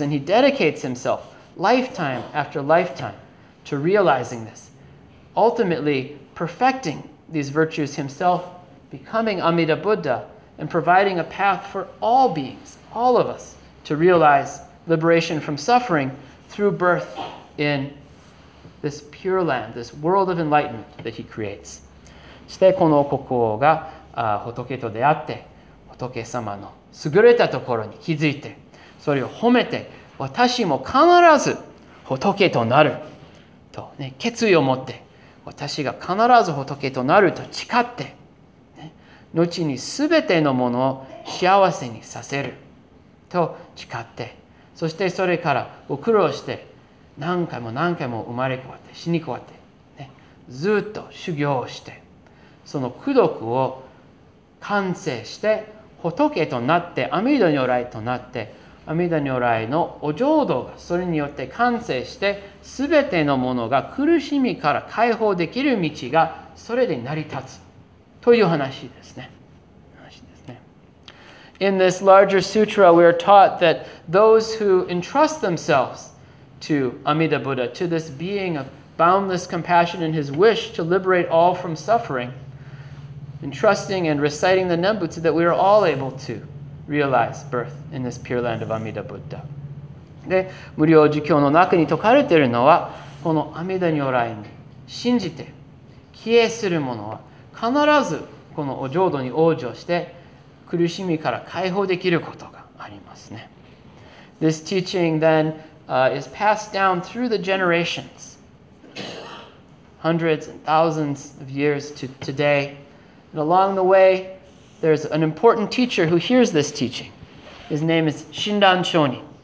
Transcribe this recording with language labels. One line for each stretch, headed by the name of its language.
English: And he dedicates himself lifetime after lifetime to realizing this, ultimately perfecting these virtues himself, becoming Amida Buddha, and providing a path for all beings, all of us, to realize liberation from suffering through birth in this pure land, this world of enlightenment that he creates.
Japanese: そしてこの国王が仏と出会って仏様の優れたところに気づいて、それを褒めて、私も必ず仏となると、ね、決意を持って、私が必ず仏となると誓って、ね、後にすべてのものを幸せにさせると誓って、そしてそれからご苦労して何回も何回も生まれ変わって死に変わって、ね、ずっと修行をして、その苦毒を完成して仏となって阿弥陀如来となって、阿弥陀如来のお浄土がそれによって完成して、すべてのものが苦しみから解放できる道がそれで成り立つという話ですね。
English: In this larger sutra, we are taught that those who entrust themselves to Amida Buddha, to this being of boundless compassion and his wish to liberate all from suffering, and trusting and reciting the Nembutsu that we are all able to realize birth in this pure land of Amida Buddha.
Japanese: で、無量寿経の中に説かれているのは、この阿弥陀如来に信じて、帰依する者は必ずこのお浄土に往生して、苦しみから解放できることがありますね。
English: This teaching then, is passed down through the generations, hundreds and thousands of years to today. And along the way, there's an important teacher who hears this teaching. His name is Shinran Shonin.